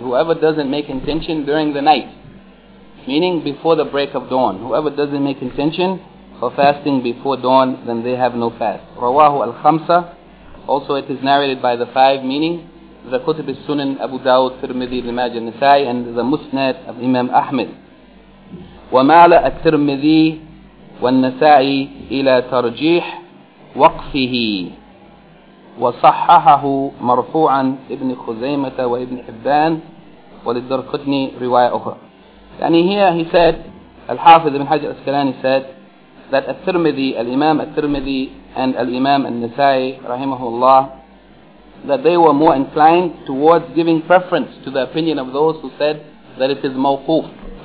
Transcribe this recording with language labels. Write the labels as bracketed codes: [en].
[en] Whoever doesn't make intention during the night, meaning before the break of dawn, whoever doesn't make intention for fasting before dawn, then they have no fast. [ar] Rawahu al-Khamsa. [en] Also it is narrated by the five, meaning the Kutub al-Sunan, Abu Dawud, Tirmidhi, Ibn Majah, Nisa'i, and the Musnad of Imam Ahmed. [ar] ومال الترمذي والنسائي إلى ترجيح وقفه وصححه مرفوعا ابن خزيمة وابن حبان وللدرقطني رواية أخرى. [en] يعني here he said, الحافظ ابن حجر الأسقلاني said that الترمذي, الإمام الترمذي and الإمام النسائي [ar] رحمه الله, [en] that they were more inclined towards giving preference to the opinion of those who said that it is موقوف.